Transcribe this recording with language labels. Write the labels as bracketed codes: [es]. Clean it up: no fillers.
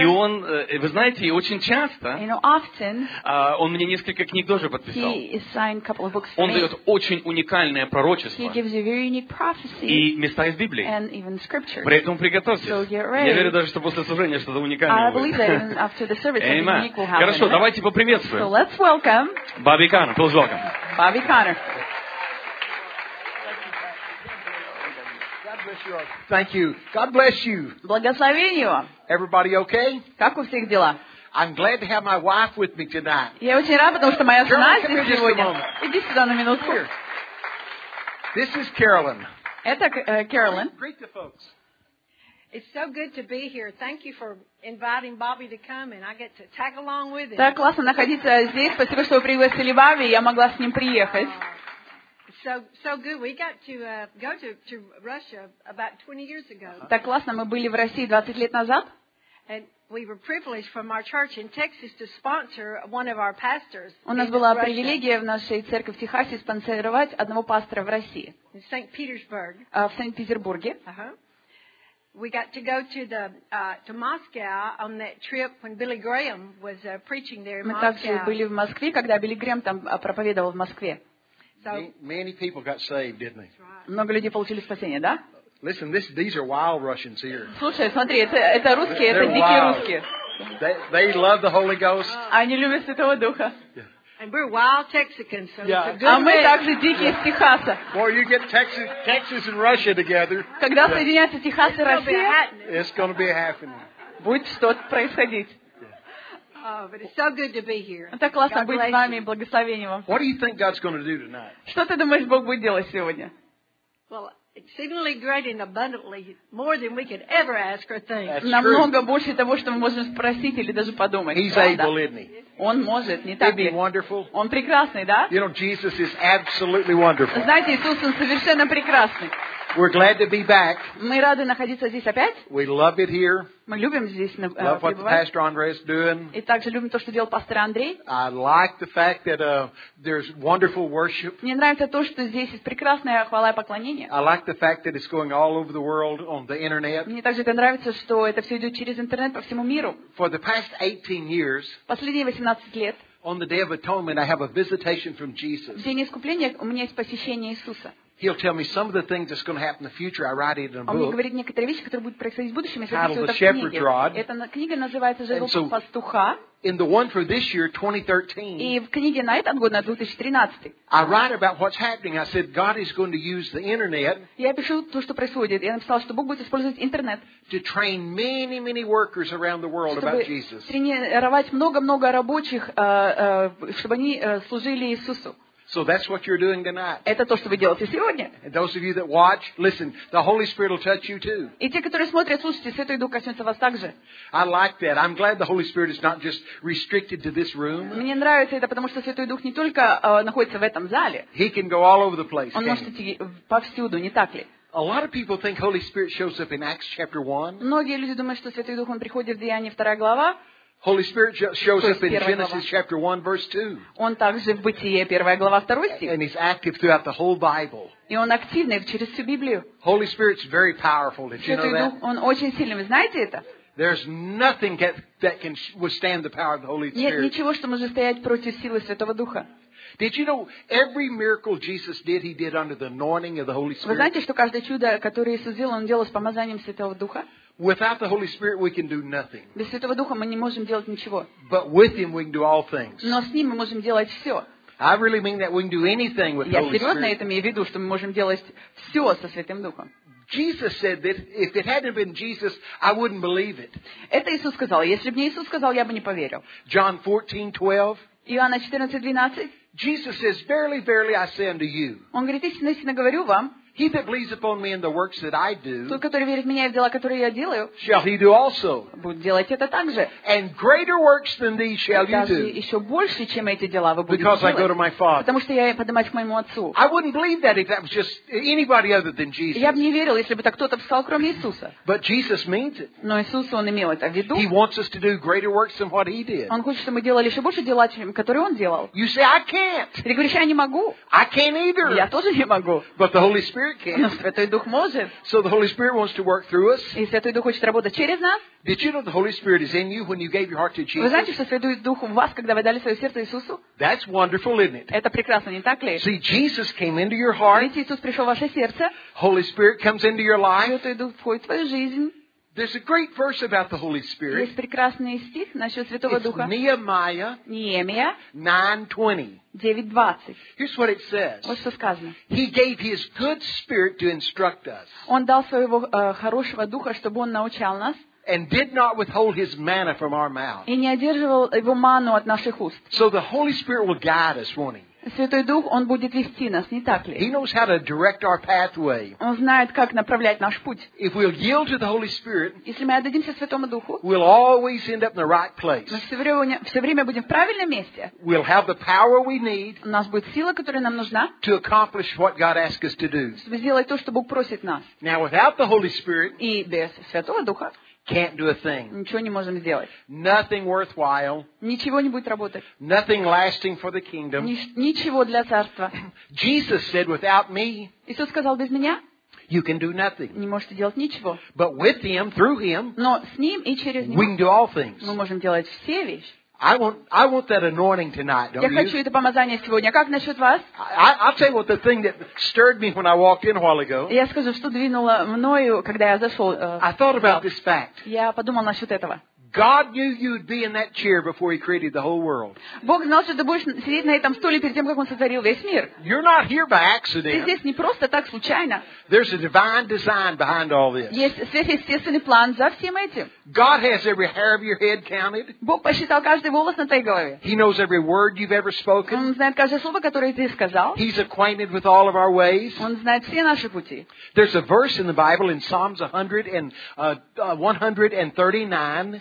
[ru] И он, вы знаете, и очень часто, [en] you know, often, [ru] он мне несколько книг тоже подписал. [en] He has signed a couple of books for [ru] он [en] me. [ru] Дает очень уникальное пророчество. [en] He gives you very unique prophecy, [ru] и места из Библии. [en] And even scriptures. [ru] Поэтому приготовьтесь. [en] So get ready. [ru] Я верю даже, что после служения что-то уникальное будет. [en] I believe that even after the service, something unique will happen. [ru] Хорошо, давайте поприветствуем. [en] So let's welcome Бобби Коннор. Please welcome. [ru] Бобби Коннор. [en] Thank you. God bless you. [ru] Благословение вам. [en] Everybody okay? [ru] Как у всех дела? [en] I'm glad to have my wife with me tonight. [ru] Я очень рад, потому что моя жена здесь сегодня. [en] Carolyn, come here just a moment. [ru] Иди сюда на минутку. [en] Here. This is Carolyn. [ru] Это Carolyn. [en] Greet the folks. It's so good to be here. Thank you for inviting Bobby to come, and I get to tag along with him. [ru] Так классно находиться здесь. Спасибо, что вы пригласили Бобби, я могла с ним приехать. [en] So good. We got to go to Russia about 20 years ago. [ru] Так классно, мы были в России 20 лет назад. [en] And we were privileged from our church in Texas to sponsor one of our pastors. [ru] У нас была привилегия в нашей церкви в Техасе спонсировать одного пастора в России. [en] In St. Petersburg. [ru] В Санкт-Петербурге. [en] We got to go to the to Moscow on that trip when Billy Graham was preaching there in Moscow. [ru] Мы также были в Москве, когда Билли Грэм там проповедовал в Москве. [en] So many people got saved, didn't they? [ru] Много людей получили спасение, да? [en] Listen, these are wild Russians here. [ru] Слушай, смотри, это русские, это дикие русские. [en] They love the Holy Ghost. [ru] Они любят Святого Духа. [en] And we're wild Texans, so yeah. It's a good [ru] а мы также дикие из Техаса. [en] Boy, you get Texas and Russia together. [ru] Когда соединяются Техас и Россия, [en] it's going to be happening. [ru] Будет что-то происходить. [en] But it's so good to be here. [ru] Так классно быть с вами, благословение вам. [en] What do you think God's going to do tonight? [ru] Что ты думаешь, Бог будет делать сегодня? [en] Well, exceedingly great and abundantly more than we could ever ask or think. [ru] Намного больше того, что мы можем спросить или даже подумать. [en] He's able, isn't he? [ru] Он может, не так ли? [en] He's wonderful. [ru] Он прекрасный, да? [en] You know, Jesus is absolutely wonderful. [ru] Знаете, Иисус он совершенно прекрасный. [en] We're glad to be back. [ru] Мы рады находиться здесь опять. [en] We love it here. [ru] Мы любим здесь пребывать. [en] Love what the pastor Andrei is doing. [ru] И также любим то, что делал пастор Андрей. [en] I like the fact that there's wonderful worship. [ru] Мне нравится то, что здесь есть прекрасная хвала и поклонение. [en] I like the fact that it's going all over the world on the internet. [ru] Мне также это нравится, что это все идет через интернет по всему миру. [en] For the past 18 years. [ru] Последние 18 лет. [en] On the Day of Atonement, I have a visitation from Jesus. [ru] В день искупления у меня есть посещение Иисуса. [en] He'll tell me some of the things that's going to happen in the future. I write it in a book. [ru] Он мне говорит некоторые вещи, которые будут происходить в будущем. Я [en] Titled The Shepherd Rod. [ru] Эта книга называется «Жеребец пастуха». [en] In the one for this year, 2013. [ru] И в книге на этот год, на 2013. [en] I write about what's happening. I said God is going to use the internet. [ru] Я пишу то, что происходит. Я написал, что Бог будет использовать интернет. [en] To train many workers around the world about Jesus. [ru] Чтобы тренировать много рабочих, чтобы они служили Иисусу. [en] So that's what you're doing tonight. [ru] Это то, что вы делаете сегодня. [en] And those of you that watch, listen, the Holy Spirit will touch you too. [ru] И те, которые смотрят, слушайте, Святой Дух коснется вас также. [en] I like that. I'm glad the Holy Spirit is not just restricted to this room. [ru] Мне нравится это, потому что Святой Дух не только находится в этом зале. [en] He can go all over the place. [ru] Он может идти повсюду, не так ли? [en] A lot of people think Holy Spirit shows up in Acts chapter 1. [ru] Многие люди думают, что Святой Дух он приходит в Деяния 2 глава. [en] Holy Spirit shows up in Genesis chapter 1 verse 2. [ru] Он также в Бытие 1 глава 2 стих. [en] And he's active throughout the whole Bible. [ru] И он активный через всю Библию. [en] Holy Spirit's very powerful, did you know that? [ru] Он очень сильный, вы знаете это? [en] There's nothing that can withstand the power of the Holy Spirit. [ru] Нет ничего, что может стоять против силы Святого Духа. [en] Did you know every miracle Jesus did, he did under the anointing of the Holy Spirit? [ru] Вы знаете, что каждое чудо, которое Иисус сделал, он делал с помазанием Святого Духа? [en] Without the Holy Spirit, we can do nothing. [ru] Без Святого Духа мы не можем делать ничего. [en] But with Him, we can do all things. [ru] Но с Ним мы можем делать все. [en] I really mean that we can do anything with the Holy Spirit. [ru] Я серьезно это имею в виду, что мы можем делать все со Святым Духом. [en] Jesus said that if it hadn't been Jesus, I wouldn't believe it. [ru] Это Иисус сказал. Если бы не Иисус сказал, я бы не поверил. [en] John 14:12. [ru] Иоанна 14:12. [en] Jesus says, "Verily, verily, I say unto you." [ru] Он говорит, истинно говорю вам. [en] He that believes upon me and the works that I do, [ru] тот, который верит в меня и в дела, которые я делаю, [en] shall he do also. [ru] Будет делать это также. [en] And greater works than these shall you do. [ru] Даже еще больше, чем эти дела, вы будете [en] because [ru] делать. [en] Because I go to my Father. [ru] Потому что я поднимаюсь к моему отцу. [en] I wouldn't believe that if that was just anybody other than Jesus. [ru] Я бы не верил, если бы так кто-то писал, кроме Иисуса. [en] But Jesus means it. [ru] Но Иисус, он имел это в виду. [en] He wants us to do greater works than what he did. [ru] Он хочет, чтобы мы делали еще больше дела, чем которые он делал. [en] You say I can't. [ru] Ты говоришь, я не могу. [en] I can't either. [ru] Я тоже не могу. [en] But the Holy Spirit. So the Holy Spirit wants to work through us. [ru] И Святой Дух хочет работать через нас. [en] Did you know the Holy Spirit is in you when you gave your heart to Jesus? [ru] Вы знаете, что Святой Дух в вас, когда вы дали свое сердце Иисусу? [en] That's wonderful, isn't it? [ru] Это прекрасно, не так ли? [en] See, Jesus came into your heart. [ru] Видите, Иисус пришел в ваше сердце. [en] Holy Spirit comes into your life. [ru] Святой Дух входит в твою жизнь. [en] There's a great verse about the Holy Spirit. [ru] Есть прекрасный стих насчет Святого Духа. [en] It's Nehemiah. [ru] Неемия. [en] 9:20. [ru] 9:20. [en] Here's what it says. [ru] Вот что сказано. [en] He gave His good Spirit to instruct us. [ru] Он дал своего хорошего духа, чтобы он научал нас. [en] And did not withhold His manna from our mouth. [ru] И не одерживал его манну от наших уст. [en] So the Holy Spirit will guide us, won't He? [ru] Святой Дух, Он будет вести нас, не так ли? [en] He knows how to direct our pathway. [ru] Он знает, как направлять наш путь. [en] If we'll yield to the Holy Spirit, [ru] если мы отдадимся Святому Духу, [en] we'll always end up in the right place. [ru] Мы все время будем в правильном месте. [en] We'll have the power we need, [ru] у нас будет сила, которая нам нужна, [en] to accomplish what God asks us to do. [ru] Чтобы сделать то, что Бог просит нас. [en] Now, without the Holy Spirit, [ru] и без Святого Духа, [en] can't do a thing. [ru] Ничего не можем сделать. [en] Nothing worthwhile. [ru] Ничего не будет работать. [en] Nothing lasting for the kingdom. [ru] Ничего для царства. [en] Jesus said, "Without me." [ru] Иисус сказал без меня. [en] You can do nothing. [ru] Не можете делать ничего. [en] But with Him, through Him. [ru] Но с Ним и через Него. [en] We can do all things. [ru] Мы можем делать все вещи. [en] I want that anointing tonight, don't you? [ru] Я хочу это помазание сегодня. Как насчет вас? [en] I'll tell you what the thing that stirred me when I walked in a while ago. [ru] Я скажу, что двинуло мною, когда я зашел. [en] I thought about this fact. [ru] Я подумал насчет этого. [en] God knew you'd be in that chair before He created the whole world. [ru] Бог знал, что ты будешь сидеть на этом стуле перед тем, как Он сотворил весь мир. [en] You're not here by accident. [ru] Ты здесь не просто так случайно. [en] There's a divine design behind all this. [ru] Есть сверхъестественный план за всем этим. [en] God has every hair of your head counted. [ru] Бог посчитал каждый волос на твоей голове. [en] He knows every word you've ever spoken. [ru] Он знает каждое слово, которое ты сказал. [en] He's acquainted with all of our ways. [ru] Он знает все наши пути. [en] There's a verse in the Bible in Psalms 139.